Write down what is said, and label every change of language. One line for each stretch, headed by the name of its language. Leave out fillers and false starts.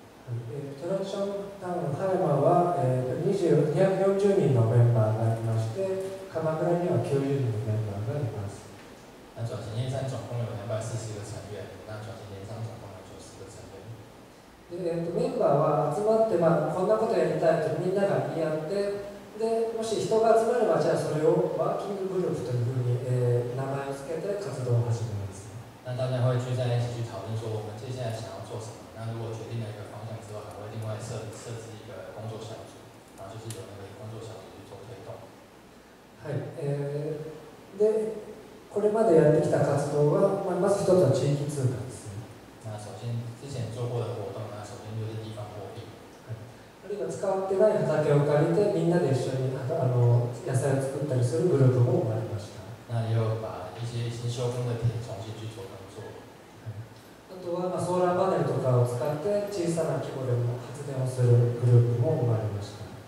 Japanese: トランションタウン葉山は240人のメンバーがいまして、鎌倉には90人のメンバーがいます。
Chinese: 那转型叶山总共有240个成员，那转型叶山总共有90个成员。
Japanese: で、メンバーは集まって、まあ、こんなことやりたいとみんなが言い合って、で、もし人が集まればじゃあそれをワーキンググループというふうに、名前をつけて活動を始めます。
Chinese: 那大家会聚在一起去讨论说我们接下来想要做什么。那如果决定了一个方向之后，还会另外设置一个工作小组，然后就是由那个工作小组去做推动。
Japanese: はい。で、これまでやってきた活動は、まず一つは地域通貨ですね。
Chinese: 那首先之前做过的活动呢，首先就是地方货币。
Japanese: はい。あるいは使ってない畑を借りてみんなで一緒に野菜を作ったりするグループも生まれました。
Chinese: 那也有把一些新收耕的田重新去做耕作。
Japanese: あとはソーラーパネルとかを使って小さな規模でも発電をするグループも生まれました。